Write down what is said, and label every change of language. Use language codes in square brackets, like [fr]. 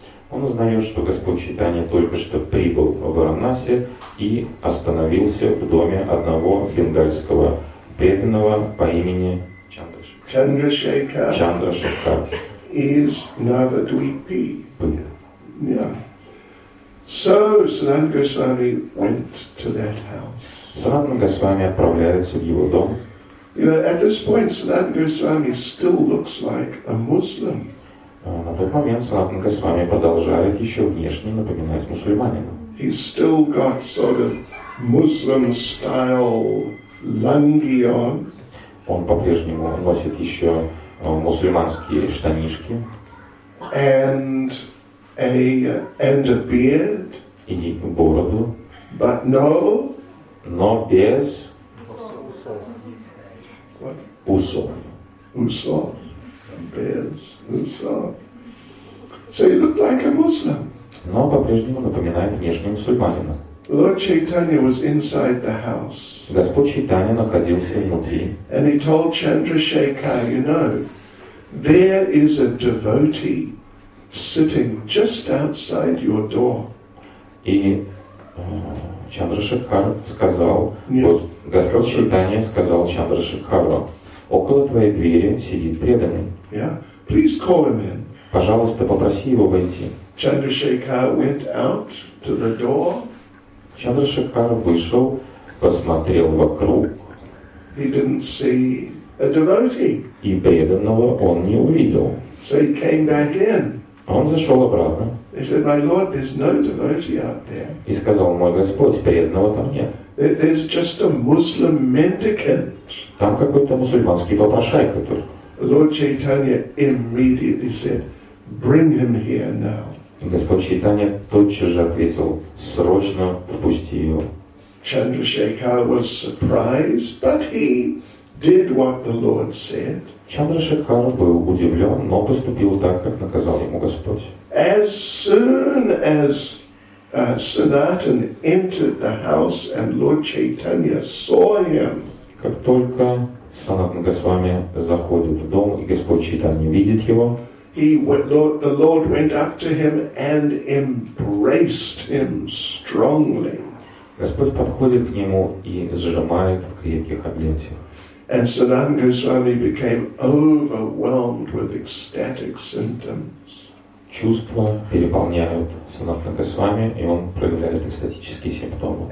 [ru] Он узнает, что Господь Чайтанья только что прибыл в Варанаси и остановился в доме одного бенгальского преданного по имени [en] Чандрашекхар. Is Navadvipi. Yeah. So Sanatan Goswami went to that house. [ru] Санатан Госвами отправляется в его дом. [en] You know, at this point, Sanatan Goswami still looks like a Muslim. [ru] На тот момент Санатан Госвами продолжает еще внешне напоминать мусульманина. [en] He's still got sort of Muslim-style lungi on. [ru] Он по-прежнему носит еще мусульманские штанишки. [en] And a beard. [ru] И бороду. [en] But no. [ru] Но без усов. [en] Bears himself. So he looked like a Muslim. [ru] Но по-прежнему напоминает внешнего мусульманина. [en] Lord Chaitanya was inside the house. [ru] Господь Чайтанья находился внутри. [en] And he told Chandrasekhar, you know, there is a devotee sitting just outside your door. [ru] И Чандрашекхар сказал, yeah. Господь Чайтанья сказал Чандрашекхару, Около твоей двери сидит преданный. [en] Yeah. Please call him in. [ru] Пожалуйста, попроси его войти. [en] Чандрашекар went out to the door. [ru] Чандрашекар вышел, посмотрел вокруг. [en] He didn't see a devotee. [ru] И преданного он не увидел. [en] So he came back in. [ru] Он зашел обратно. [en] He said, "My Lord, there's no devotee out there." [ru] И сказал: "Мой Господь, преданного там нет." [en] There's just a Muslim mendicant. [ru] Там какой-то мусульманский попрошайка тут. [en] Lord Chaitanya immediately said, "Bring him here now." [ru] И Господь Чайтанья тотчас же ответил: "Срочно впусти его." [en] Chandrashekhar was surprised, but he did what the Lord said. [ru] Чандрашекар был удивлен, но поступил так, как наказал ему Господь. [en] As soon as Sanatan entered the house and Lord Chaitanya saw him, [ru] как только Санатан Госвами заходит в дом и Господь Чайтанья видит его, [en] the Lord went up to him and embraced him strongly. [ru] Господь подходит к нему и сжимает в крепких объятиях. [en] And Sanatan Goswami became overwhelmed with ecstatic symptoms. [ru] Чувства переполняют Санатана Госвами, и он проявляет экстатические симптомы.